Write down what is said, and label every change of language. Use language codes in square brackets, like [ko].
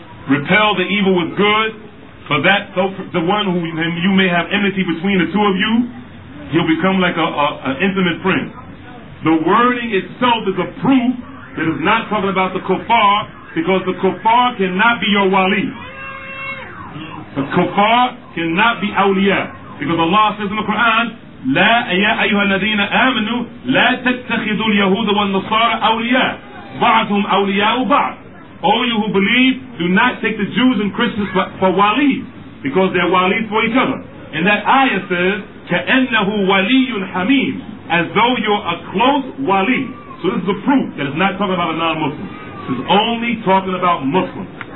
[en] Repel the evil with good, for that the one whom you may have enmity between the two of you, he'll become like an intimate friend. The wording itself is a proof that it's not talking about the kuffar, because the kuffar cannot be your wali. The kuffar cannot be awliya, because Allah says in the Quran, [ar] لا أيها الذين آمنوا لا تتخذوا اليهود والنصارى أولياء بعضهم أولياء بعض. [en] All you who believe, do not take the Jews and Christians for wali, because they're wali for each other. And that ayah says, [ar] كَأَنَّهُ وَلِيٌّ حَمِيمٌ, [en] as though you're a close wali. So this is a proof that it's not talking about a non-Muslim. This is only talking about Muslims.